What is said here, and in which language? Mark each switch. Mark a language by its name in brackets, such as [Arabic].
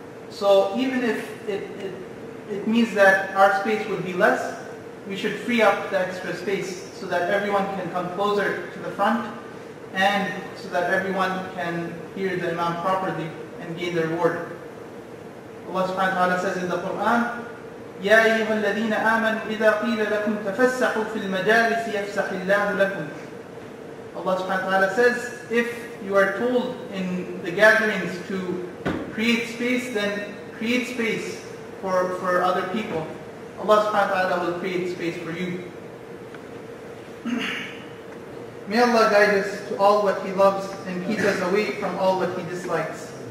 [English] So even if it means that our space would be less, we should free up the extra space so that everyone can come closer to the front and so that everyone can hear the imam properly and gain the reward. [Arabic] Allah subhanahu wa ta'ala [English] says in the Quran, [Arabic] يَا أَيُّهَا الَّذِينَ آمَنُوا إِذَا قِيلَ لَكُمْ تَفَسَّحُوا فِي الْمَجَالِسِ يَفْسَحِ اللَّهُ لَكُمْ. [English] Allah subhanahu wa ta'ala says, if you are told in the gatherings to create space, then create space for other people. Allah subhanahu wa ta'ala will create space for you. May Allah guide us to all what He loves and keep us away from all what He dislikes.